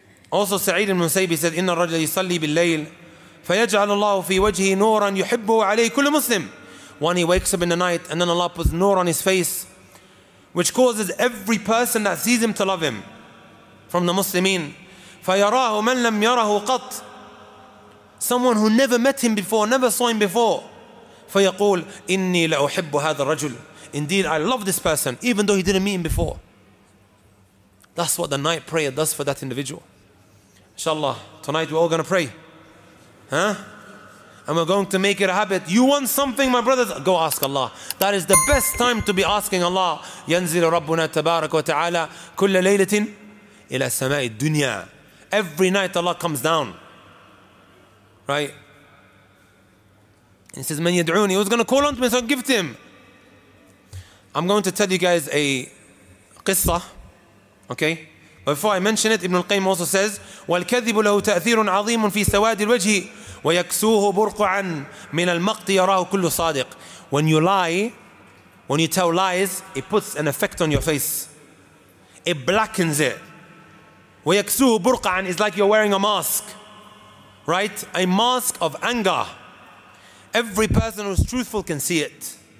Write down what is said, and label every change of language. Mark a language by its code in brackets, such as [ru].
[en] Also, Sa'id ibn Musaybi said, [ar] إِنَّ الرَّجْلَ يُصَلِّي بِاللَّيْلِ فَيَجْعَلُ اللَّهُ فِي وَجْهِ نُورًا يُحِبُّهُ عَلَيْهِ كُلُّ مُسْلِمٍ. [en] When he wakes up in the night and then Allah puts nur on his face, which causes every person that sees him to love him from the Muslimin. [ar] فَيَرَاهُ مَنْ لَمْ يَرَهُ قَطْ. [en] Someone who never met him before, never saw him before. [ar] فَيَقُولُ إِنِّي لَأُحِبُّ هَذَا الرَّجُلُ. [en] Indeed, I love this person, even though he didn't meet him before. That's what the night prayer does for that individual. Inshallah, tonight we're all going to pray. Huh? And we're going to make it a habit. You want something, my brothers? Go ask Allah. That is the best time to be asking Allah. [ar] ينزل ربنا تبارك وتعالى كل ليلة إلى سماء الدنيا. [en] Every night Allah comes down. Right? And he says, [ar] من يدعوني? [en] Who's going to call on to me? So give to him. I'm going to tell you guys a قصة. Okay? Before I mention it, Ibn al-Qayyim also says, [ar] وَالْكَذِبُ لَهُ تَأْثِيرٌ عَظِيمٌ فِي سَوَادِ الْوَجْهِ وَيَكْسُوهُ بُرْقُعًا مِنَ الْمَقْتِ يَرَاهُ كُلُّ صَادِقٍ. [en] When you lie, when you tell lies, it puts an effect on your face. It blackens it. [ar] وَيَكْسُوهُ بُرْقُعًا [en] is like you're wearing a mask. Right? A mask of anger. Every person who's truthful can see it.